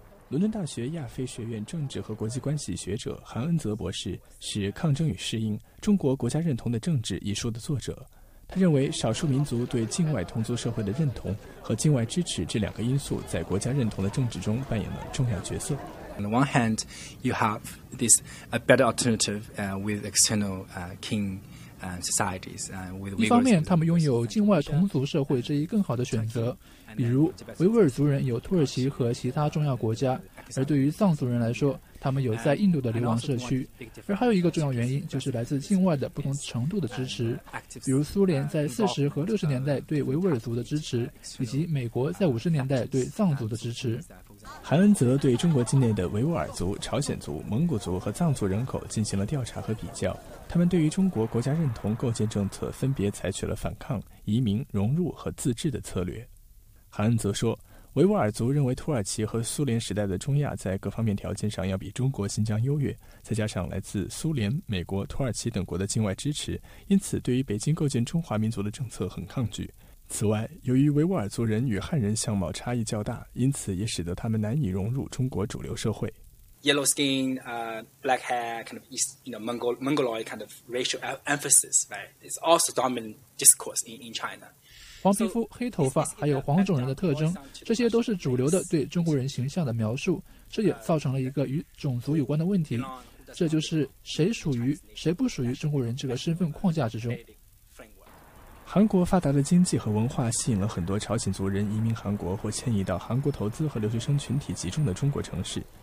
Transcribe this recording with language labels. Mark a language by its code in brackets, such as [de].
[zh] 伦敦大学亚非学院政治和国际关系学者韩恩泽博士是《抗争与适应：中国国家认同的政治》一书的作者。他认为，少数民族对境外同族社会的认同和境外支持这两个因素在国家认同的政治中扮演了重要角色。 [en] On the one hand, you have this a better alternative with external king societies. [zh] 一方面，他们拥有境外同族社会这一更好的选择，比如维吾尔族人有土耳其和其他重要国家，而对于藏族人来说，他们有在印度的流亡社区。而还有一个重要原因，就是来自境外的不同程度的支持，比如苏联在40和60年代对维吾尔族的支持，以及美国在50年代对藏族的支持。韩恩泽对中国境内的维吾尔族、朝鲜族、蒙古族和藏族人口进行了调查和比较，他们对于中国国家认同构建政策分别采取了反抗、移民、融入和自治的策略。韩恩泽说，维吾尔族认为土耳其和苏联时代的中亚在各方面条件上要比中国新疆优越，再加上来自苏联、美国、土耳其等国的境外支持，因此对于北京构建中华民族的政策很抗拒。此外，由于维吾尔族人与汉人相貌差异较大，因此也使得他们难以融入中国主流社会。 [en] Yellow skin, black hair, kind of East, you know, Mongoloid kind of racial emphasis, right? It's also dominant discourse in China. [zh] 黄皮肤、黑头发，还有黄种人的特征，这些都是主流的对中国人形象的描述，这也造成了一个与种族有关的问题，这就是谁属于、谁不属于中国人这个身份框架之中。韩国发达的经济和文化吸引了很多朝鲜族人移民韩国或迁移到韩国投资和留学生群体集中的中国城市。